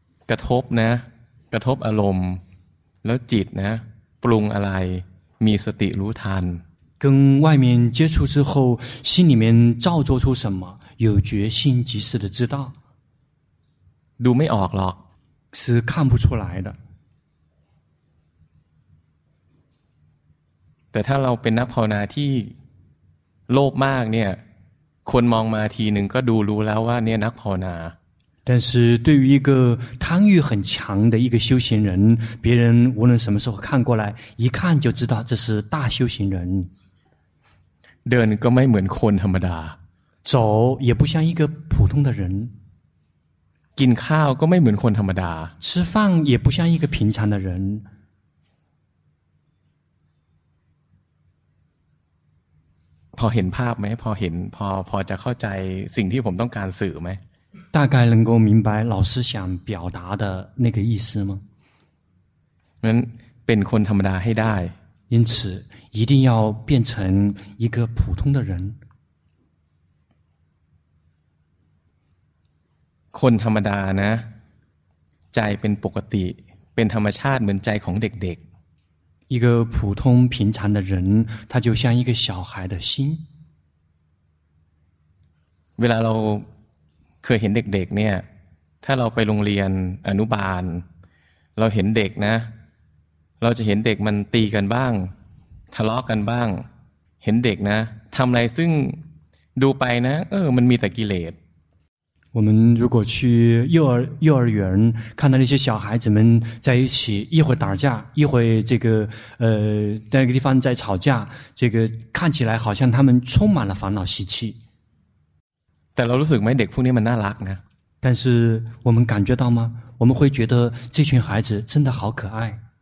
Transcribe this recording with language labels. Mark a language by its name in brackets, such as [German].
[Thai] กระทบนะกระทบอารมณ์แล้วจิตนะปรุงอะไรมีสติรู้ทัน [Chinese] 跟外面接触之后心里面造作出什么有决心及时的知道 [Thai] ดูไม่ออกหรอก [Chinese] 是看不出来的 [Thai] แต่ถ้าเราเป็นนักภาวนาที่โลภมากเนี่ยคนมองมาทีหนึ่งก็ดูรู้แล้วว่าเนี่ยนักภาวนา [Chinese] 但是对于一个贪欲很强的一个修行人别人无论什么时候看过来一看就知道这是大修行人 [Thai] เดินก็ไม่เหมือนคนธรรมดา [Chinese] 走也不像一个普通的人 [Thai] กินข้าวก็ไม่เหมือนคนธรรมดา [Chinese] 吃饭也不像一个平常的人 [Thai] พอเห็นภาพไหมพอจะเข้าใจสิ่งที่ผมต้องการสื่อไหม [Chinese] 大概能够明白老师想表达的那个意思吗 [Thai] งั้นเป็นคนธรรมดาให้ได้ [Chinese] 因此一定要变成一个普通的人 [Thai] คนธรรมดานะใจเป็นปกติเป็นธรรมชาติเหมือนใจของเด็ก [Chinese] ๆ一个普通平常的人他就像一个小孩的心 [Thai] เวลาเราเคยเห็นเด็กๆเนี่ยถ้าเราไปโรงเรียนอนุบาลเราเห็นเด็กนะเราจะเห็นเด็กมันตีกันบ้างทะเลาะกันบ้างเห็นเด็กนะทำอะไรซึ่งดูไปนะเออมันมีแต่กิเลส [Chinese] 我们如果去幼儿园看到那些小孩子们在一起一会打架一会这个在那个地方在吵架这个看起来好像他们充满了烦恼习气 [Thai] แต่เรารู้สึกไหมเด็กพวกนี้มันน่ารักนะ [Chinese] 但是我们感觉到吗我们会觉得这群孩子真的好可爱